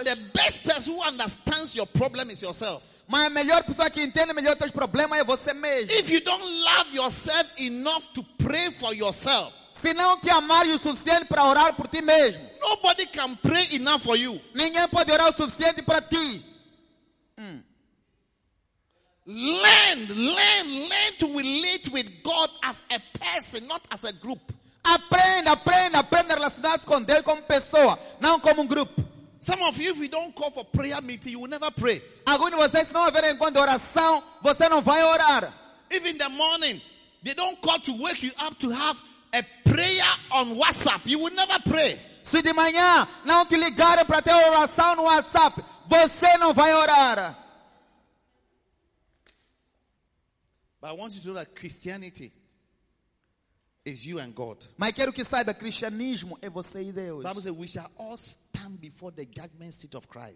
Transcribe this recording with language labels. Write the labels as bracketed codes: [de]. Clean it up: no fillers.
[en] But the best person who understands your problem is yourself. [pt] Mas a melhor pessoa que entende melhor teus problemas é você mesmo. [en] If you don't love yourself enough to pray for yourself. [pt] Se não te amar o suficiente para orar por ti mesmo. [en] Nobody can pray enough for you. [pt] Ninguém pode orar o suficiente para ti. [en] Learn to relate with God as a person, not as a group. [pt] Aprenda a relacionar-se com Deus como pessoa, não como grupo. [en] Some of you, if you don't call for prayer meeting, you will never pray. [pt] Alguns de vocês, se não haver encontro de oração, você não vai orar. [en] Even in the morning, they don't call to wake you up to have a prayer on WhatsApp. You will never pray. [pt] Se de manhã não te ligarem para ter oração no WhatsApp, você não vai orar. [en] But I want you to know that Christianity is you and God. [pt] Mas quero que saiba, cristianismo é você e Deus. [en] The Bible says we shall all stand before the judgment seat of Christ.